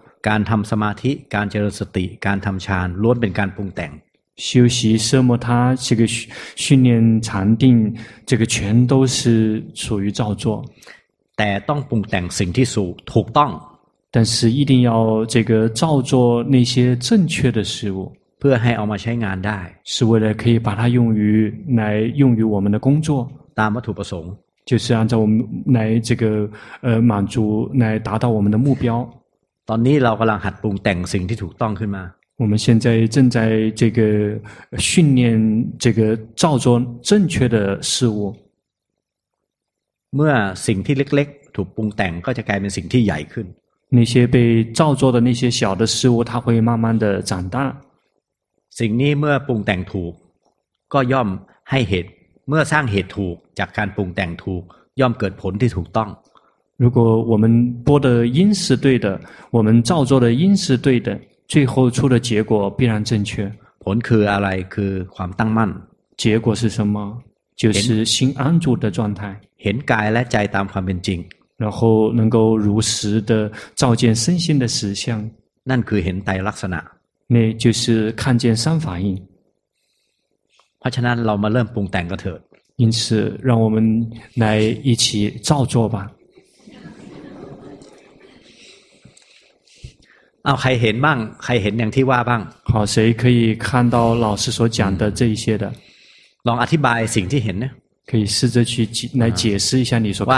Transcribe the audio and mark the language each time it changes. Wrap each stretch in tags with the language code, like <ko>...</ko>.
<th>การทำสมาธิการเจริญสติการทำฌานล้วนเป็นการปรุงแต่ง</th> <zh>修习奢摩他这个训练禅定这个全都是属于造作</zh> <th>แต่ต้องปรุงแต่งสิ่งที่สูถูกต้อง</th> <zh>但是一定要这个造作那些正确的事物</zh> <th>เพื่อให้เอามาใช้งานได้</th> <zh>是为了可以把它用于来用于我们的工作</zh> <th>ตามวัตถุประสงค์</th> <zh>就是按照我们来这个满足来达到我们的目标</zh> <th>ตอนนี้เรากำลังหัดปรุงแต่งสิ่งที่ถูกต้องขึ้นมา</th> <zh>我们现在正在这个训练这个造作正确的事物</zh> <th>เมื่อสิ่งที่เล็กๆถูกปรุงแต่งก็จะกลายเป็นสิ่งที่ใหญ่ขึ้น</th> <zh>那些被造作的那些小的事物它会慢慢的长大</zh> <th>สิ่งนี้เมื่อปรุงแต่งถูกก็ย่อมให้เหตุเมื่อสร้างเหตุถูกจากการปรุงแต่งถูกย่อมเกิดผลที่ถูกต้อง</th> <zh>如果我们播的因是对的我们造作的因是对的最后出的结果必然正确</zh> <th>ผลคืออะไรคือความตั้งมั่น</th> <zh>结果是什么就是心安住的状态</zh> <th>เห็นกายและใจตามความเป็นจริง</th> <zh>然后能够如实的照见身心的实相</zh> <th>นั่นคือเห็นไตรลักษณะ</th> <zh>那就是看见三法印</zh> <th>เพราะฉะนั้นเรามาเริ่มปรุงแต่งกันเถอะ</th> <zh>因此让我们来一起造作吧</zh> <th>เอาใครเห็นบ้างใครเห็นอย่างที่ว่าบ้าง</th> <zh>好谁可以看到老师所讲的这一些的</zh> <th>ลองอธิบายสิ่งที่เห็นนะ</th> <zh>可以试着去来解释一下你所看到的那个</zh>